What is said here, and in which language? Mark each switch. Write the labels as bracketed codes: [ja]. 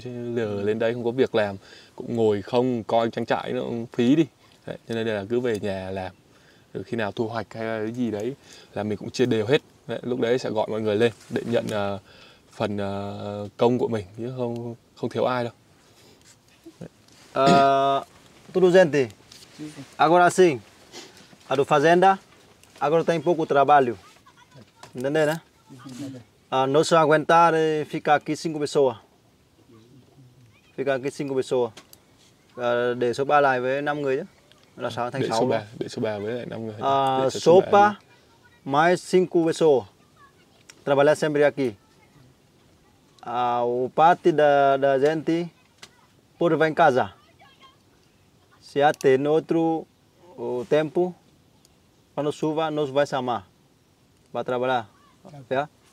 [vi] Chứ giờ lên đây không có việc làm. Cũng ngồi không coi trang trại nó phí đi. Cho nên là cứ về nhà làm. Rồi khi nào thu hoạch hay là cái gì đấy là mình cũng chia đều hết. Đấy, lúc đấy sẽ gọi mọi người lên để nhận phần công của mình. Chứ không thiếu ai đâu. [pt] À, tudo gente. Agora sim, a do fazenda, agora tem pouco trabalho. Entendeu, né? Não se aguentar ficar aqui cinco pessoas. Ficar aqui cinco pessoas. [vi] Để số ba lại với năm người chứ. Là sao thành sáu. Để số ba với lại năm người. Số ba [pt] mais cinco pessoas. Trabalhar sempre aqui. O parte da gente por vai em casa. Se até no outro tempo, quando chuva, nós vai chamar para trabalhar. Tá.